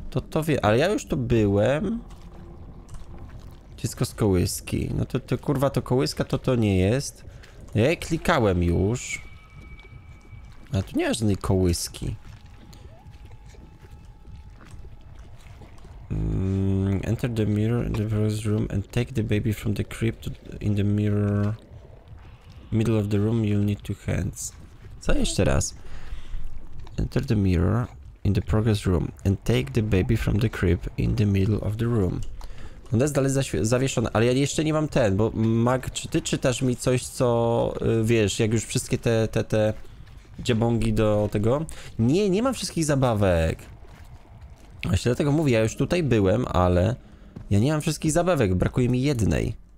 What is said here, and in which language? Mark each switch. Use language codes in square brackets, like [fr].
[pl] To wie, ale ja już tu byłem. Dziecko z kołyski. No to kurwa, to kołyska to nie jest. Ja je klikałem już. Ale tu nie ma żadnej kołyski. [en] Enter the mirror in the first room and take the baby from the crib to in the mirror. Middle of the room, you need two hands. [pl] Co jeszcze raz? [en] Enter the mirror in the progress room and take the baby from the crib in the middle of the room. [pl] Ona jest dalej zawieszona, ale ja jeszcze nie mam ten, bo Mag, czy ty czytasz mi coś, co wiesz, jak już wszystkie te dziabongi do tego? Nie, nie mam wszystkich zabawek. Właśnie dlatego mówię, ja już tutaj byłem, ale ja nie mam wszystkich zabawek, brakuje mi jednej.